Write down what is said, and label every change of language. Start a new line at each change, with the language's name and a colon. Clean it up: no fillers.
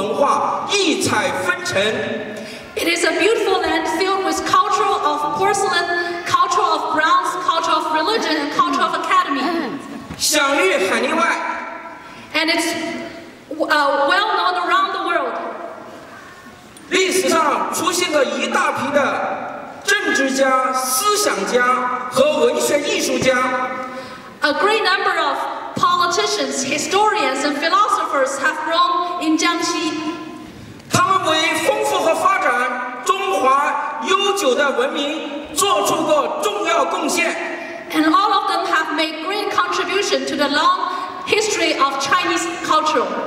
Chinese: 这里陶瓷文化、宗教文化、书院文化、青铜文化异彩纷呈。
English: It is a beautiful land filled with cultural of porcelain, cultural of bronze, cultural of religion, and cultural of academy.
Chinese: 享誉海内外。
English: And it's well known around the world.
Chinese: 历史上出现了一大批的政治家、思想家和文学艺术家。
English: A great number of politicians, historians, and philosophers have grown in Jiangxi.
Chinese: 他们为丰富和发展中华悠久的文明做出过重要贡献。
English: And all of them have made great contribution to the long history of Chinese culture.